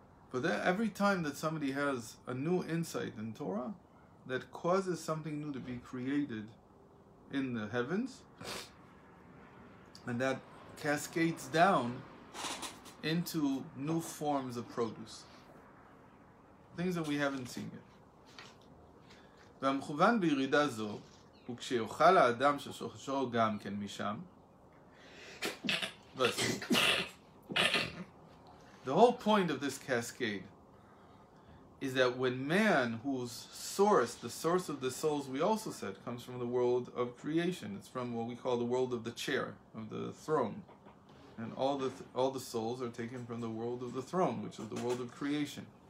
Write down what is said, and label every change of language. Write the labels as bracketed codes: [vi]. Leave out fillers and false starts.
[en] But that every time that somebody has a new insight in Torah that causes something new to be created in the heavens, and that cascades down into new forms of produce, things that we haven't seen yet. [he] והמכוון בירידה זו הוא כשיוכל האדם ששוחשו גם כן משם. [en] The whole point of this cascade is that when man, whose source, the source of the souls, we also said, comes from the world of creation. It's from what we call the world of the chair, of the throne. And all the souls are taken from the world of the throne, which is the world of creation.